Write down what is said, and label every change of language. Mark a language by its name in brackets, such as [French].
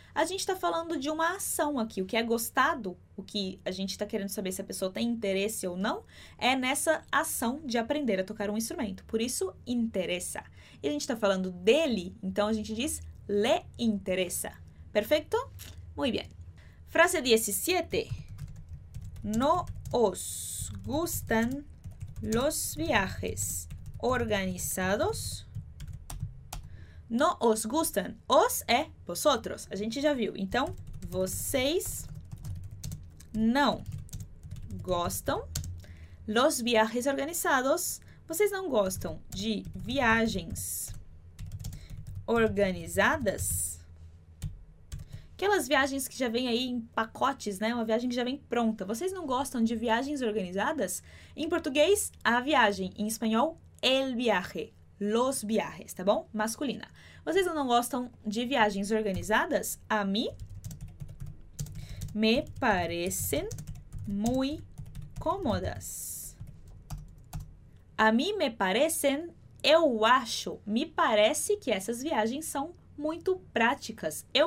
[Portuguese] A gente está falando de uma ação aqui. O que é gostado, o que a gente está querendo saber se a pessoa tem interesse ou não, é nessa ação de aprender a tocar um instrumento. Por isso, interessa. E a gente está falando dele, então a gente diz [Spanish] le interesa. Perfecto? Muy bien. Frase 17. No os gustan los viajes organizados. No os gustan. [Portuguese] Os é vosotros. A gente já viu. Então, vocês não gostam [Spanish] los viajes organizados. [Portuguese] Vocês não gostam de viagens organizadas? Aquelas viagens que já vem aí em pacotes, né? Uma viagem que já vem pronta. Vocês não gostam de viagens organizadas? Em português, a viagem. Em espanhol, el viaje. [Spanish] Los viajes, [Portuguese] tá bom? Masculina. Vocês não gostam de viagens organizadas? [Spanish] A mí me parecen muy cómodas. A mí me parecen. [Portuguese] Eu acho, me parece que essas viagens são muito práticas.